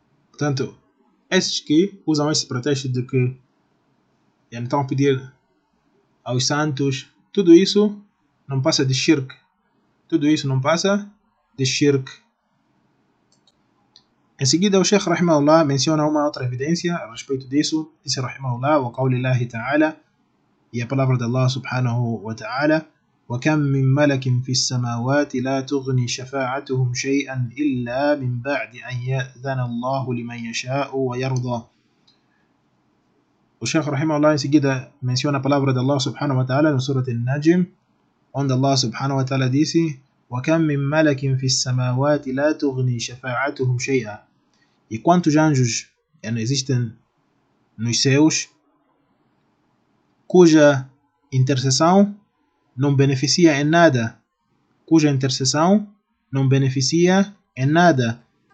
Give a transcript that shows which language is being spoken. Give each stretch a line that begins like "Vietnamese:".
Portuguese: Portanto, esses que usam esse pretexto de que eles estão a pedir aos santos, tudo isso não passa de shirk. Tudo isso não passa de shirk. Em seguida, o Sheikh Rahimahullah menciona uma outra evidência a respeito disso. Disse Rahimahullah, o qawli Allah Ta'ala, e a palavra de Allah Subhanahu wa Ta'ala,
Arabic: وَكَمْ مِنْ مَلَكٍ فِي السَّمَاوَاتِ لَا تُغْنِي شَفَاعَتُهُمْ شَيْئًا إِلَّا مِنْ بَعْدِ أَنْ يَأْذَنَ اللَّهُ لِمَنْ يَشَاءُ وَيَرْضَى.
Portuguese: O Sheikh Rahimahullah, em seguida, menciona a palavra de Allah Subhanahu wa Ta'ala no Surah Al-Najm, onde Allah Subhanahu wa Ta'ala disse,
Arabic: وَكَمْ مِنْ مَلَكٍ فِي السَّمَاوَاتِ لَا تُغْنِي شَفَاعَتُهُمْ شَيْئًا.
Portuguese: E quantos anjos existem nos céus cuja intercessão não beneficia em nada, cuja intercessão não beneficia em nada,